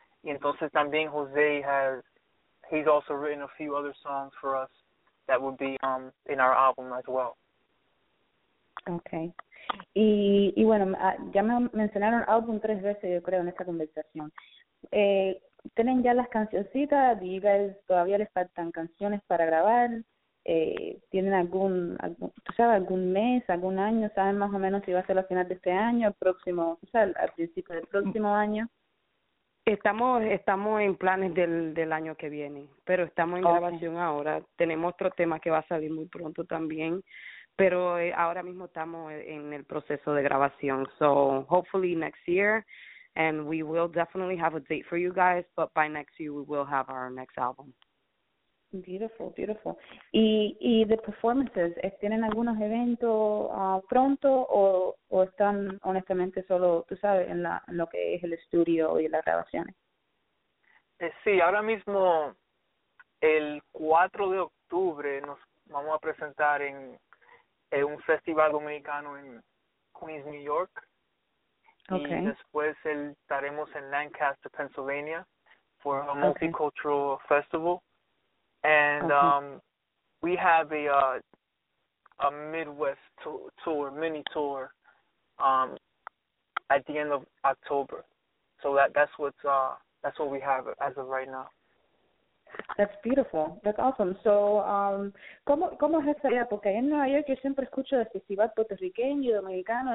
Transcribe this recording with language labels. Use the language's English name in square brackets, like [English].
[Spanish] Y entonces también [English] José he's also written a few other songs for us that would be in our album as well. Okay. [Spanish] Y bueno, ya me mencionaron álbum tres veces, yo creo, en esta conversación. ¿Tienen ya las cancioncitas? ¿Digas todavía les faltan canciones para grabar? ¿Tienen algún mes, algún año? ¿Saben más o menos si va a ser a final de este año, el próximo, o sea, al principio del próximo año? Estamos en planes del año que viene, pero estamos en grabación ahora. Tenemos otro tema que va a salir muy pronto también, pero ahora mismo estamos en el proceso de grabación. [English] So hopefully next year, and we will definitely have a date for you guys, but by next year we will have our next album. [Spanish] Beautiful. Y the performances, ¿tienen algunos eventos pronto o están honestamente solo, tú sabes, en lo que es el estudio y las grabaciones? Sí, ahora mismo el 4 de octubre nos vamos a presentar en un festival dominicano en Queens, New York. [English] Okay. [Spanish] Y después estaremos en Lancaster, Pennsylvania [English] for a multicultural festival. And we have a Midwest mini tour at the end of October. So that's what we have as of right now. That's beautiful. That's awesome. So, [Spanish] ¿cómo es esa idea? Porque en Nueva York yo siempre escucho de festival puertorriqueño y dominicano.